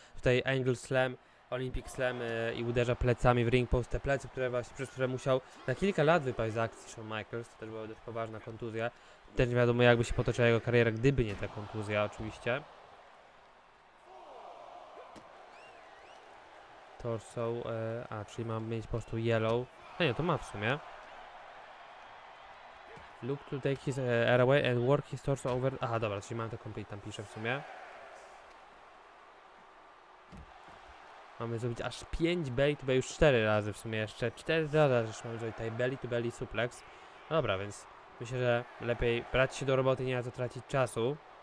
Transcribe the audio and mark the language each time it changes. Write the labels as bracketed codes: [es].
[pl] Tutaj Angle Slam, Olympic Slam i uderza plecami w ring post, te plecy, które właśnie, przez które musiał na kilka lat wypaść z akcji Shawn Michaels, to też była dość poważna kontuzja. Też nie wiadomo, jakby się potoczyła jego kariera, gdyby nie ta kontuzja oczywiście. Torso, czyli mam mieć po prostu yellow, a nie, to ma w sumie. [en] Look to take his air away and work his torso over. [pl] Aha, dobra, czyli mam to complete, tam pisze w sumie. Mamy zrobić aż 5 belly to belly, już 4 razy w sumie jeszcze. 4 razy już mamy zrobić tutaj belly to belly suplex. No dobra, więc myślę, że lepiej brać się do roboty, nie na co tracić czasu.